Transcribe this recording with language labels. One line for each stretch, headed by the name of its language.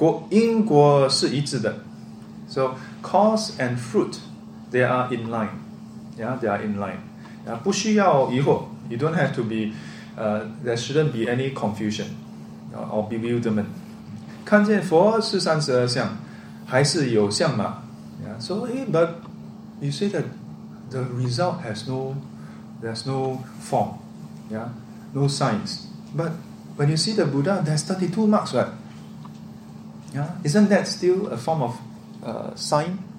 Chinese: 因果是一致的。
English: So cause and fruit, they are in line. Yeah, they are in line.
Chinese: 不需要疑惑,
English: you don't have to be, there shouldn't be any confusion or bewilderment.
Chinese: 看见佛是三十二相, 还是有相吗?
English: Yeah, so, hey, but you say that the result has no, there's no form, yeah, no signs. But when you see the Buddha, there's 32 marks, right? Yeah, isn't that still a form of sign?